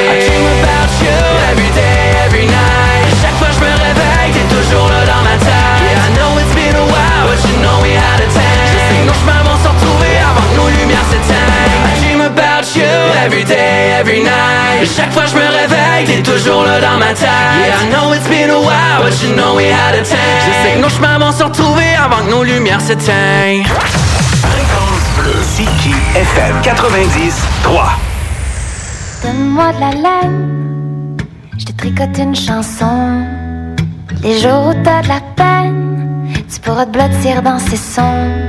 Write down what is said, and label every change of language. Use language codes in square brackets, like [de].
[en] I dream about you every day, every night. [fr] Et chaque fois je me réveille, t'es toujours là dans ma tête. [en] Yeah, I know it's been a while, but you know we had a time. [fr] Je sais que nos chemins vont se retrouver avant que nos lumières s'éteignent. [en] I dream about you every day, every night. [fr] Et chaque fois je me réveille, t'es toujours là dans ma tête. [en] Yeah, I know it's been a while, but you know we had a time. [fr] Je sais que nos chemins vont se retrouver avant que nos lumières s'éteignent. Siki FM 90.3. Donne-moi de la laine, je te tricote une chanson. Les jours où t'as de la peine, tu pourras te blottir dans ces sons.